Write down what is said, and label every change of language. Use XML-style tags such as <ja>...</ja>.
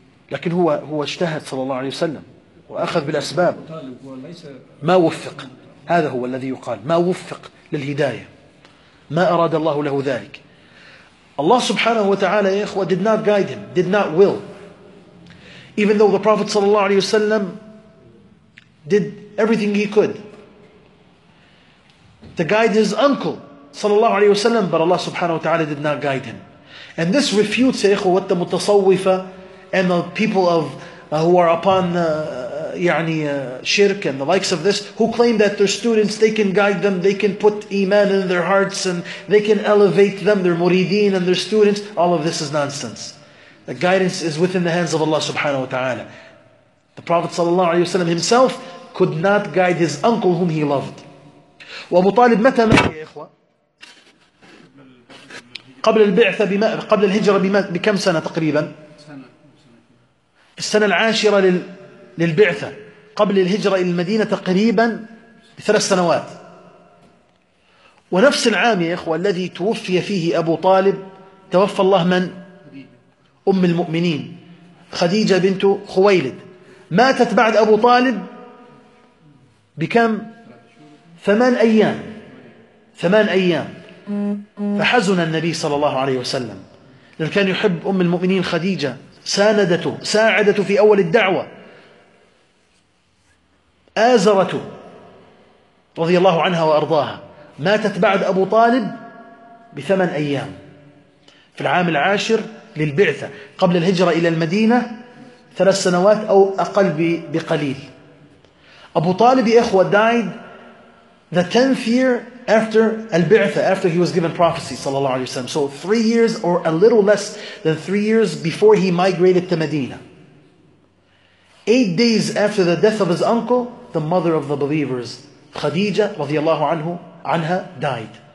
<ar>لكن هو اجتهد صلى الله عليه وسلم وأخذ بالأسباب. ما وفق. هذا هو الذي يقال، ما وفق للهداية، ما أراد الله له ذلك. الله سبحانه وتعالى يا إخوة</ar> <en>did not guide him, did not will. Even though the Prophet صلى الله عليه وسلم did everything he could to guide his uncle صلى الله عليه وسلم, but Allah سبحانه وتعالى did not guide him. And this refutes يا إخوة what the متصوفة and the people of who are upon يعني shirk and the likes of this who claim that their students, they can guide them, they can put iman in their hearts and they can elevate them, their murideen and their students. All of this is nonsense. The guidance is within the hands of Allah subhanahu wa ta'ala. The Prophet sallallahu alayhi wa sallam himself could not guide his uncle whom he loved.</en> <ar>وابو طالب متى مات يا إخوة؟ قبل البعثة بما قبل الهجرة بما بكم سنة تقريبا؟ سنة. السنة العاشرة للبعثة قبل الهجرة إلى المدينة تقريبا بثلاث سنوات. ونفس العام يا إخوة الذي توفي فيه أبو طالب توفى الله من؟ أم المؤمنين خديجة بنت خويلد. ماتت بعد أبو طالب بكم؟ ثمان أيام. فحزن النبي صلى الله عليه وسلم لأن كان يحب أم المؤمنين خديجة، ساندته، ساعدته في أول الدعوة، آزرته رضي الله عنها وأرضاها. ماتت بعد أبو طالب بثمان أيام في العام العاشر للبعثة قبل الهجرة إلى المدينة ثلاث سنوات أو أقل بقليل.</ar> <en>أبو طالب إخوة died the 10th year after al-bi'tha, after he was given prophecy sallallahu alayhi wa sallam. So 3 years or a little less than 3 years before he migrated to Medina. 8 days after the death of his uncle, the mother of the believers, Khadija radiallahu anha, died.</en>